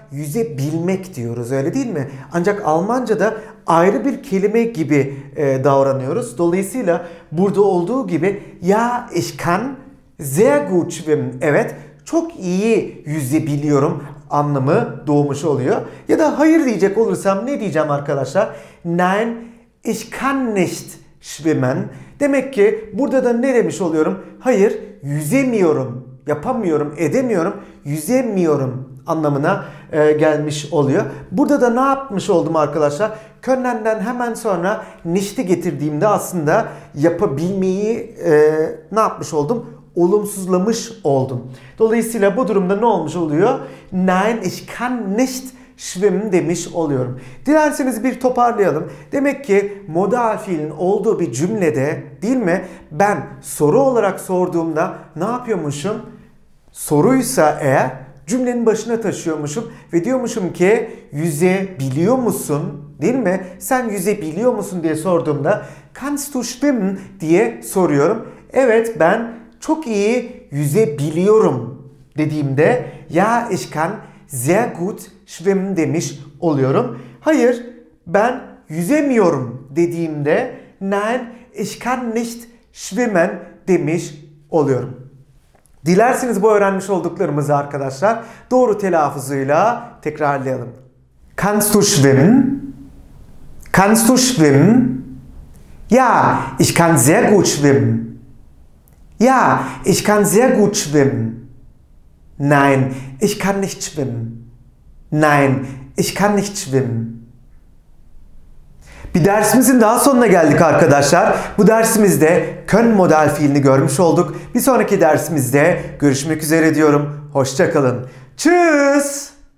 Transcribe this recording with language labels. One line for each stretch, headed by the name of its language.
Turkish: Yüzebilmek diyoruz, öyle değil mi? Ancak Almanca'da ayrı bir kelime gibi davranıyoruz. Dolayısıyla burada olduğu gibi
German: ja, ich kann sehr gut schwimmen.
Turkish: Evet, çok iyi yüzebiliyorum anlamı doğmuş oluyor. Ya da hayır diyecek olursam ne diyeceğim arkadaşlar?
German: Nein, ich kann nicht schwimmen.
Turkish: Demek ki burada da ne demiş oluyorum? Hayır, yüzemiyorum, yapamıyorum, edemiyorum, yüzemiyorum anlamına gelmiş oluyor. Burada da ne yapmış oldum arkadaşlar? Können'den hemen sonra nicht'i getirdiğimde aslında yapabilmeyi ne yapmış oldum? Olumsuzlamış oldum. Dolayısıyla bu durumda ne olmuş oluyor?
German: Nein, ich kann nicht schwimmen
Turkish: demiş oluyorum. Dilerseniz bir toparlayalım. Demek ki modal fiilin olduğu bir cümlede, değil mi, ben soru olarak sorduğumda ne yapıyormuşum? Soruysa eğer cümlenin başına taşıyormuşum ve diyormuşum ki yüzebiliyor musun, değil mi? Sen yüzebiliyor musun diye sorduğumda
German: kannst du schwimmen
Turkish: diye soruyorum. Evet, ben çok iyi yüzebiliyorum dediğimde
German: ja, ich kann sehr gut schwimmen
Turkish: demiş oluyorum. Hayır, ben yüzemiyorum dediğimde
German: nein, ich kann nicht schwimmen
Turkish: demiş oluyorum. Dilerseniz bu öğrenmiş olduklarımızı arkadaşlar doğru telaffuzuyla tekrarlayalım.
German: Kannst du schwimmen? Kannst du schwimmen? Ja, ich kann sehr gut schwimmen. Ja, ich kann sehr gut schwimmen. Nein, ich kann nicht schwimmen. Nein, ich kann nicht schwimmen.
Turkish: Bir dersimizin daha sonuna geldik arkadaşlar. Bu dersimizde können modal fiilini görmüş olduk. Bir sonraki dersimizde görüşmek üzere diyorum. Hoşça kalın.
German: Tschüss.